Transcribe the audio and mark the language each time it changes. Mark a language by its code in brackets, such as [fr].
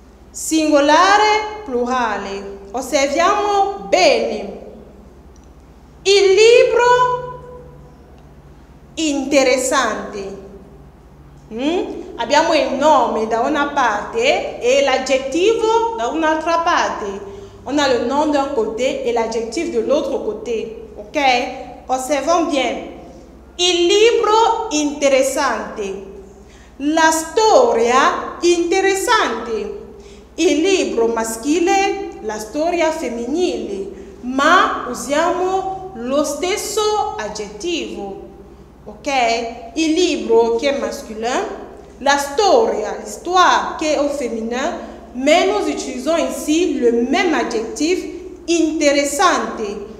[it] Singolare, plurale. Osserviamo bene. Il libro interessante. Abbiamo il nome da una parte e l'aggettivo da un'altra parte. [fr] On a le nom d'un côté et l'adjectif de l'autre côté. Ok? Osservons bien. [it] Il libro interessante. La storia interessante. Il libro maschile, la storia femminile. Ma usiamo lo stesso aggettivo. Ok? Il libro che è masculino. La storia, l'histoire che è femminile. [fr] Mais nous utilisons ici le même adjectif intéressante.